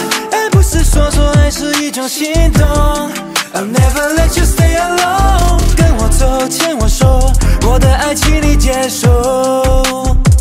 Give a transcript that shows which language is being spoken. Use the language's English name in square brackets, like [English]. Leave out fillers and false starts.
[Chinese] 爱不是说说，爱是一种心动。 [English] I'll never let you stay alone. [Chinese] 跟我走，牵我手，我的爱请你接受。